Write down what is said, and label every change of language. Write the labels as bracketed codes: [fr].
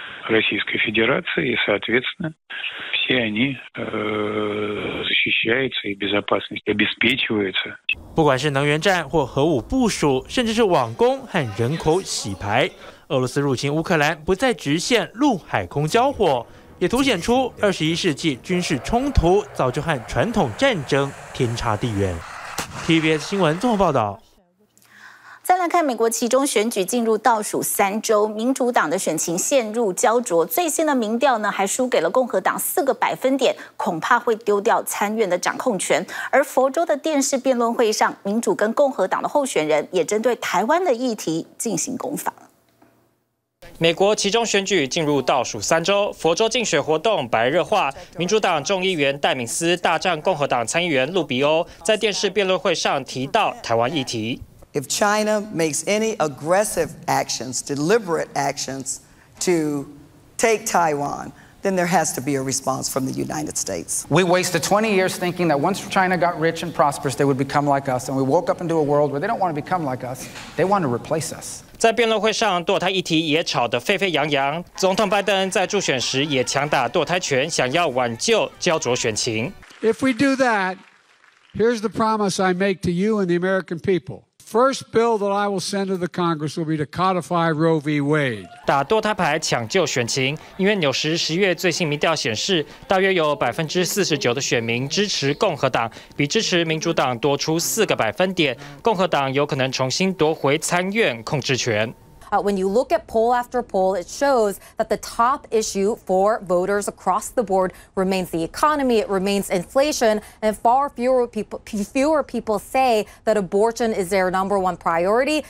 [ru] Российской Федерации, и, соответственно, все они защищаются и безопасность обеспечивается. [zh] 不管是能源战或核武部署，甚至是网攻和人口洗牌，俄罗斯入侵乌克兰不再局限陆海空交火，也凸显出21世纪军事冲突早就和传统战争天差地远。 TVBS 新闻综合报道。再来看美国其中选举进入倒数三周，民主党的选情陷入焦灼，最新的民调呢还输给了共和党4个百分点，恐怕会丢掉参院的掌控权。而佛州的电视辩论会上，民主跟共和党的候选人也针对台湾的议题进行攻防。美国其中选举进入倒数三周，佛州竞选活动白热化，民主党众议员戴敏斯大战共和党参议员路比欧，在电视辩论会上提到台湾议题。 [en] If China makes any aggressive actions, deliberate actions to take Taiwan, then there has to be a response from the United States. We wasted 20 years thinking that once China got rich and prosperous, they would become like us, and we woke up into a world where they don't want to become like us, they want to replace us. [zh] 在辩论会上，堕胎议题也吵得沸沸扬扬。总统拜登在助选时也强打堕胎权，想要挽救焦灼选情。 [en] If we do that, here's the promise I make to you and the American people. First bill that I will send to the Congress will be to codify Roe v. Wade. [zh] 打堕胎牌抢救选情，因为纽时10月最新民调显示，大约有49%的选民支持共和党，比支持民主党多出4个百分点，共和党有可能重新夺回参院控制权。 [en] When you look at poll after poll, it shows that the top issue for voters across the board remains the economy, it remains inflation, and far fewer people say that abortion is their number one priority.